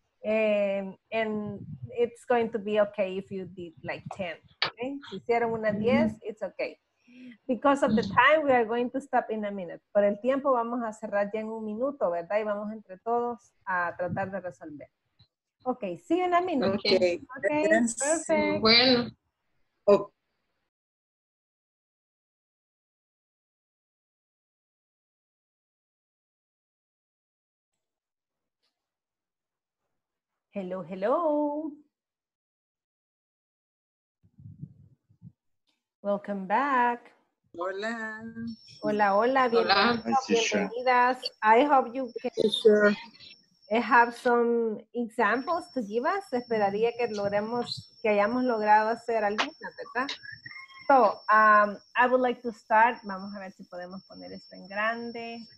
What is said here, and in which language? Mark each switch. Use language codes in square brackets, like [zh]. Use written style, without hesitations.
[en] And it's going to be okay if you did like 10. Okay? [es] Si hicieron una 10, [en] it's okay. Because of the time, we are going to stop in a minute. [es] Por el tiempo, vamos a cerrar ya en un minuto, ¿verdad? Y vamos entre todos a tratar de resolver. [en] Okay, see you in a minute. Okay, okay. Perfect. [es] Bueno. [en] Okay. Hello, hello. Welcome back. [es] Hola. Hola, hola. Bienvenidas. [en] I hope you can have some examples to give us. [es] Esperaría que logremos, que hayamos logrado hacer alguna, ¿verdad? [en] So, I would like to start. [es] Vamos a ver si podemos poner esto en grande.